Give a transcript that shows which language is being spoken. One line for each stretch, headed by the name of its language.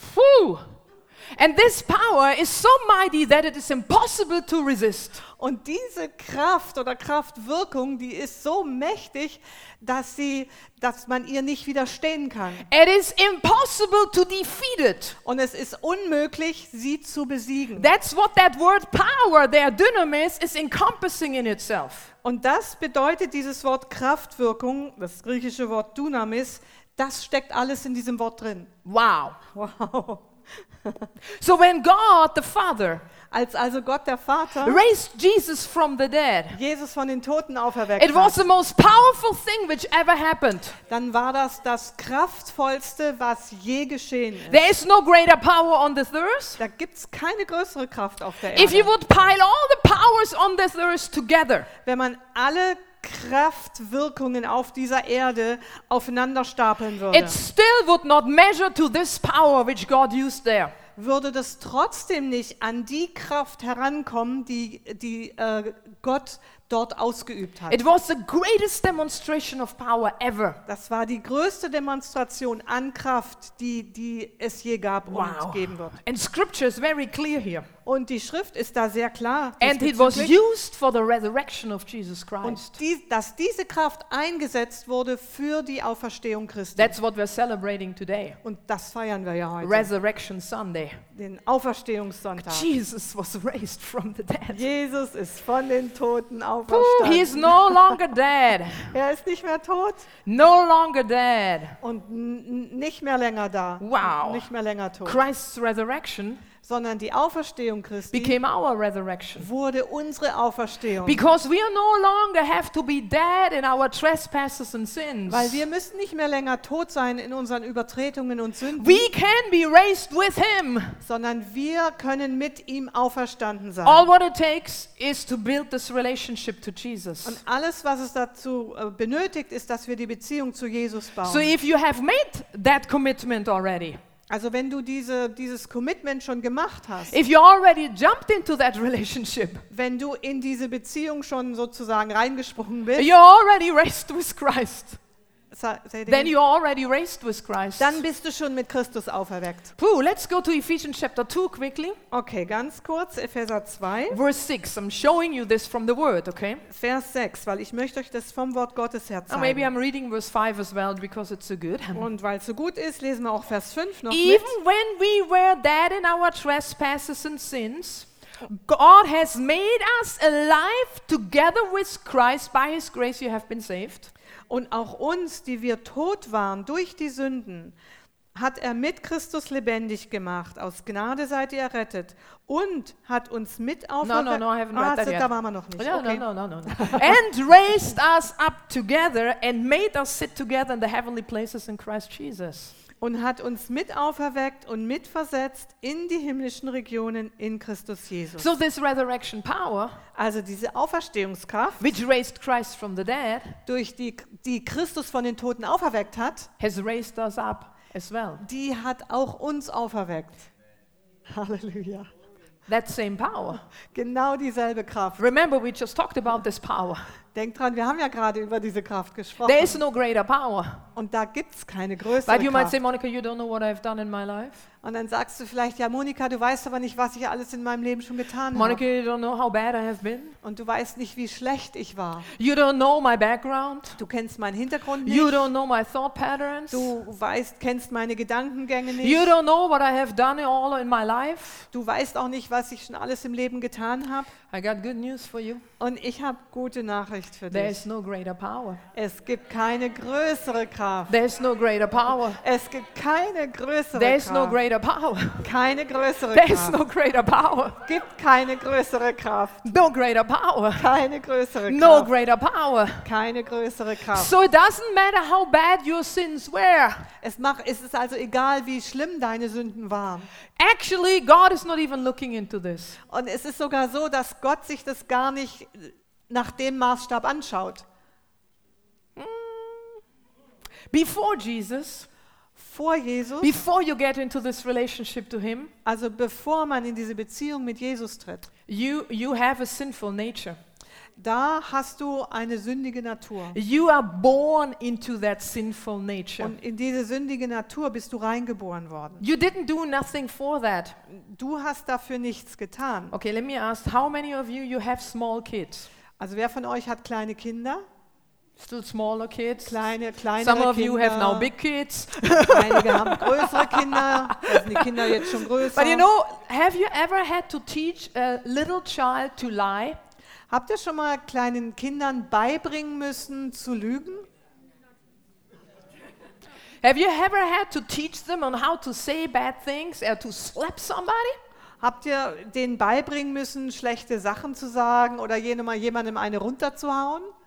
English: Puh. And this power is so mighty that it is impossible to resist.
German: Und diese Kraft oder Kraftwirkung, die ist so mächtig, dass man ihr nicht widerstehen kann.
English: It is impossible to defeat it.
German: Und es ist unmöglich, sie zu besiegen.
English: That's what that word power, their dynamis, is encompassing in itself.
German: Und das bedeutet dieses Wort Kraftwirkung, das griechische Wort dynamis, das steckt alles in diesem Wort drin. Wow. Wow.
English: So when God the Father,
German: als also Gott der Vater,
English: raised Jesus from the dead,
German: Jesus von den Toten auferweckt,
English: it was the most powerful thing which ever happened.
German: Dann war das kraftvollste, was je geschehen ist.
English: There is no greater power on this earth.
German: Da gibt's keine größere Kraft auf der Erde.
English: If you would pile all the powers on this earth together,
German: wenn man alle Kraftwirkungen auf dieser Erde aufeinander stapeln würde.
English: It still would not measure to this power which God used there.
German: Würde das trotzdem nicht an die Kraft herankommen, die Gott dort ausgeübt hat.
English: It was the greatest demonstration of power ever.
German: Das war die größte Demonstration an Kraft, die es je gab und geben wird.
English: And scripture is very clear here.
German: Und die Schrift ist da sehr klar.
English: And it was used for the resurrection of Jesus Christ.
German: Und dass diese Kraft eingesetzt wurde für die Auferstehung Christi.
English: That's what we're celebrating today.
German: Und das feiern wir ja heute.
English: Resurrection Sunday.
German: Den Auferstehungssonntag.
English: Jesus was raised from the dead.
German: Jesus ist von den Toten auferstanden. auferstanden.
English: He is no longer dead.
German: Er ist nicht mehr tot.
English: No longer dead.
German: Und nicht mehr länger da. Wow. Nicht mehr länger tot.
English: Christ's resurrection.
German: Sondern die Auferstehung Christi
English: became our resurrection.
German: Wurde unsere Auferstehung.
English: Because we no longer have to be dead in our trespasses and sins.
German: Weil wir müssen nicht mehr länger tot sein in unseren Übertretungen und Sünden.
English: We can be raised with him.
German: Sondern wir können mit ihm auferstanden sein.
English: All what it takes is to build this relationship to Jesus.
German: Und alles, was es dazu benötigt, ist, dass wir die Beziehung zu Jesus bauen.
English: So if you have made that commitment already.
German: Also wenn du dieses Commitment schon gemacht hast,
English: if you already jumped into that relationship,
German: wenn du in diese Beziehung schon sozusagen reingesprungen bist,
English: you're already raised with Christ. Then you're already raised with Christ.
German: Dann bist du schon mit Christus auferweckt.
English: Puh, let's go to Ephesians chapter 2 quickly.
German: Okay, ganz kurz, Epheser 2.
English: Verse 6, I'm showing you this from the Word, okay?
German: Vers 6, weil ich möchte euch das vom Wort Gottes her zeigen.
English: Oh, maybe I'm reading verse 5 as well, because it's so good.
German: Und weil es so gut ist, lesen wir auch Vers 5 noch
English: Even
German: mit.
English: Even when we were dead in our trespasses and sins, God has made us alive together with Christ. By his grace you have been saved.
German: Und auch uns, die wir tot waren durch die Sünden, hat er mit Christus lebendig gemacht. Aus Gnade seid ihr errettet. Und hat uns mit auferweckt.
English: No, I haven't read that yet.
German: Da waren wir noch nicht.
English: Yeah, okay. No. And raised us up together and made us sit together in the heavenly places in Christ Jesus.
German: Und hat uns mit auferweckt und mitversetzt in die himmlischen Regionen in Christus Jesus.
English: So this resurrection power,
German: also diese Auferstehungskraft,
English: which raised Christ from the dead,
German: durch die Christus von den Toten auferweckt hat,
English: has raised us up as well.
German: Die hat auch uns auferweckt. Halleluja.
English: That same power.
German: Genau dieselbe Kraft.
English: Remember, we just talked about this power.
German: Denk dran, wir haben ja gerade über diese Kraft gesprochen.
English: There is no greater power.
German: Und da gibt's keine größere Kraft.
English: But you might say, Monica, you don't know what I've done in my life.
German: Und dann sagst du vielleicht, ja, Monika, du weißt aber nicht, was ich alles in meinem Leben schon getan habe.
English: Monica, you don't know how bad I have been.
German: Und du weißt nicht, wie schlecht ich war.
English: You don't know my background.
German: Du kennst meinen Hintergrund nicht.
English: You don't know my thought patterns.
German: Du kennst meine Gedankengänge nicht.
English: You don't know what I have done all in my life.
German: Du weißt auch nicht, was ich schon alles im Leben getan habe.
English: I got good news for you.
German: Und ich habe gute Nachricht für
English: There
German: dich.
English: There is no greater power.
German: Es gibt keine größere Kraft.
English: There is no greater power.
German: Es gibt keine größere
English: There There is no greater power.
German: Keine größere
English: There
German: Kraft.
English: There is no greater power.
German: Gibt keine größere Kraft.
English: No greater power.
German: Keine größere Kraft.
English: No greater power.
German: Keine größere Kraft.
English: So it doesn't matter how bad your sins were.
German: Es ist also egal, wie schlimm deine Sünden waren.
English: Actually, God is not even looking into this.
German: Und es ist sogar so, dass Gott sich das gar nicht nach dem Maßstab anschaut.
English: Before Jesus,
German: vor Jesus,
English: before you get into this relationship to him,
German: also bevor man in diese Beziehung mit Jesus tritt,
English: you have a sinful nature.
German: Da hast du eine sündige Natur.
English: You are born into that sinful nature.
German: Und in diese sündige Natur bist du reingeboren worden.
English: You didn't do nothing for that.
German: Du hast dafür nichts getan.
English: Okay, let me ask, how many of you have small kids?
German: Also wer von euch hat kleine Kinder?
English: Still smaller kids.
German: Kleinere
English: Some of
German: Kinder.
English: You have now big kids.
German: Einige haben größere Kinder. Sind die Kinder jetzt schon größer?
English: But you know, have you ever had to teach a little child to lie?
German: Habt ihr schon mal kleinen Kindern beibringen müssen zu lügen?
English: Have you ever had to teach them on how to say bad things or to slap somebody?
German: Habt ihr denen beibringen müssen, schlechte Sachen zu sagen oder jemandem eine runterzuhauen?